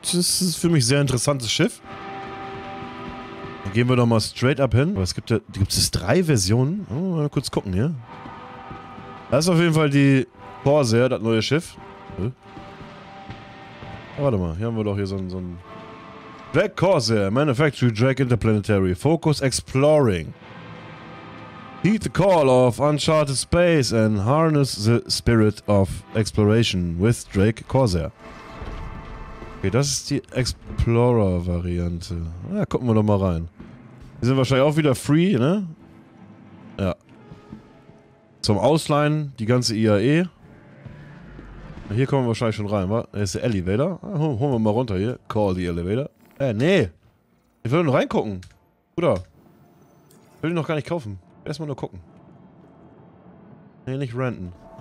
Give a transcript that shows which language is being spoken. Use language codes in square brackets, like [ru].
[de] Das ist für mich ein sehr interessantes Schiff. Dann gehen wir doch mal straight up hin. Aber es gibt ja, gibt es drei Versionen? Oh, mal kurz gucken hier. Das ist auf jeden Fall die Corsair, das neue Schiff. Oh, warte mal, hier haben wir doch hier so ein Drag Corsair, Manufactory Drag Interplanetary, Focus Exploring. [en] Heed the call of uncharted space and harness the spirit of exploration with Drake Corsair. [de] Okay, das ist die Explorer-Variante. Ja, gucken wir doch mal rein. Die sind wahrscheinlich auch wieder free, ne? Ja. Zum Ausleihen, die ganze IAE. Hier kommen wir wahrscheinlich schon rein, wa? Da ist der Elevator. Holen wir mal runter hier. [en] Call the Elevator. [de] Nee. Ich will nur reingucken. Bruder. Ich will ihn noch gar nicht kaufen. Erstmal nur gucken. Nee, nicht renten.